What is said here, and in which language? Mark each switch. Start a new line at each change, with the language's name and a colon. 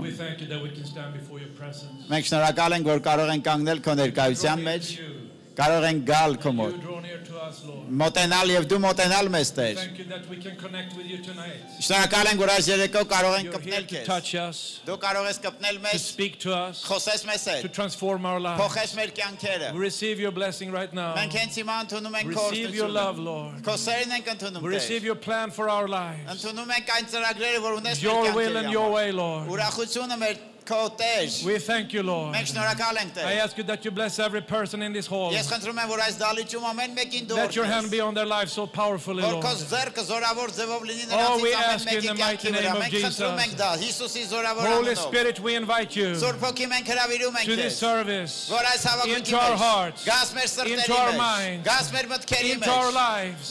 English: We thank you that we can stand before your presence.
Armenian: Մենք շնորհակալ ենք, որ կարող ենք կանգնել քո ներկայության մեջ, կարող ենք գալ քո մոտ, մոտենալ եւ դու մոտենալ մեզ Տեր.
English: Thank you that we can connect with you tonight.
Armenian: Շնորհակալ ենք, որ այս երեկո կարող ենք կպնել քեզ, դու կարող ես կպնել մեզ, խոսես մեզ հետ,
English: to transform our lives,
Armenian: փոխես մեր կյանքերը.
English: We receive your blessing right now.
Armenian: Մենք հենց հիմա ընդունում ենք քո օրը.
English: Receive your love, Lord.
Armenian: Քո սերն ենք ընդունում Տեր.
English: We receive your plan for our lives.
Armenian: Ընդունում ենք այն ծրագրերը, որ ունես մեր կյանքերի համար.
English: Your will and your way, Lord.
Armenian: Ուրախությունը մեր
English: We thank you, Lord. I ask you that you bless every person in this hall. Let your hand be on their lives so powerfully, Lord. Oh, we ask in the mighty name of Jesus. Holy Spirit, we invite you to this service, into our hearts, into our minds, into our lives.